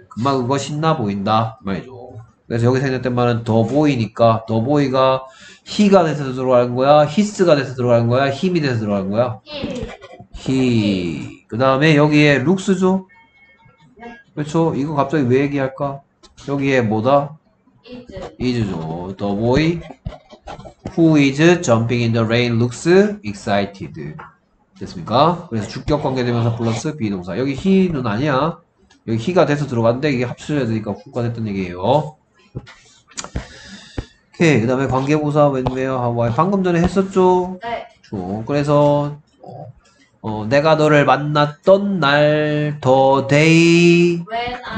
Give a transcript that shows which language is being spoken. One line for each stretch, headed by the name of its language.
Korean: 금방 그거 신나 보인다 말이죠. 그래서 여기 생략된 말은 더 보이니까 더 보이가 he가 돼서 들어가는 거야? his가 돼서 들어가는 거야? him이 돼서 들어가는 거야? he. 그 다음에 여기에 looks죠? 그렇죠? 이거 갑자기 왜 얘기할까? 여기에 뭐다?
English: is.
Korean: is죠.
English: The boy who is jumping in the rain looks excited.
Korean: 됐습니까? 그래서 주격 관계되면서 플러스 비동사. 여기 he는 아니야. 여기 he가 돼서 들어갔는데 이게 합쳐져야 되니까 who가 됐던 얘기예요. 오케이. 그 다음에 관계부사 when, where, how, why. 방금 전에 했었죠? 네. 좋아. 그래서 내가 너를 만났던 날, the day